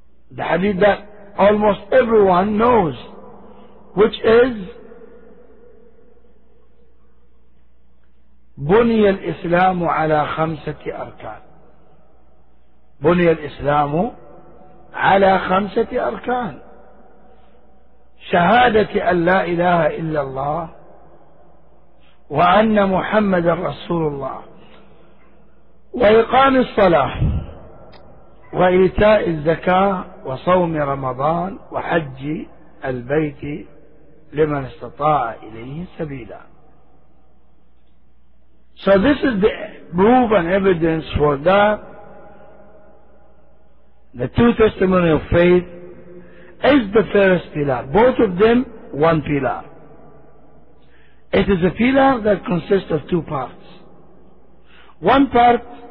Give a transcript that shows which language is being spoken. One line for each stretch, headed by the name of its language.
English: The hadith that almost everyone knows, which is,
Arabic: بني الإسلام على خمسة أركان. بني الإسلام على خمسة أركان. شهادة أن لا إله إلا الله وأن محمد رسول الله وإقام الصلاة وإيتاء الزكاة وصوم رمضان وحج البيت لمن استطاع إليه سبيلا.
English: So this is the proof and evidence for that. The two testimony of faith is the first pillar. Both of them, one pillar. It is a pillar that consists of two parts. One part